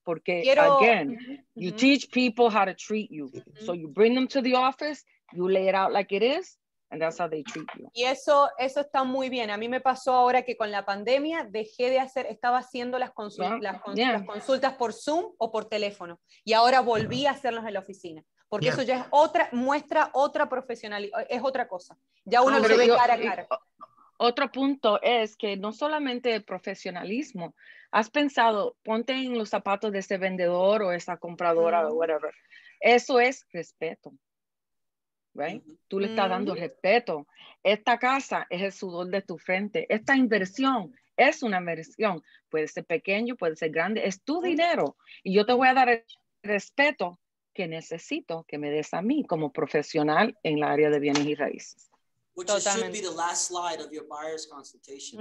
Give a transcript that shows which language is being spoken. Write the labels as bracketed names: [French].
[Spanish] Porque, [English] you teach people how to treat you. Mm-hmm. So you bring them to the office, you lay it out like it is, And that's how they treat you. [Spanish] Y eso está muy bien. A mí me pasó ahora que con la pandemia dejé de hacer, estaba haciendo las consultas por Zoom o por teléfono. Y ahora volví a hacerlos en la oficina. Porque eso ya es otra, muestra otra profesionalidad, es otra cosa. Ya uno lo ve cara a cara. Otro punto es que no solamente el profesionalismo, has pensado, ponte en los zapatos de ese vendedor o esa compradora o whatever. Eso es respeto. Right? Tú le estás dando respeto. Esta casa es el sudor de tu frente. Esta inversión es una inversión. Puede ser pequeño, puede ser grande. Es tu dinero. Y yo te voy a dar el respeto que necesito que me des a mí como profesional en el área de bienes y raíces. [English] Which should be the last slide of your buyer's consultation.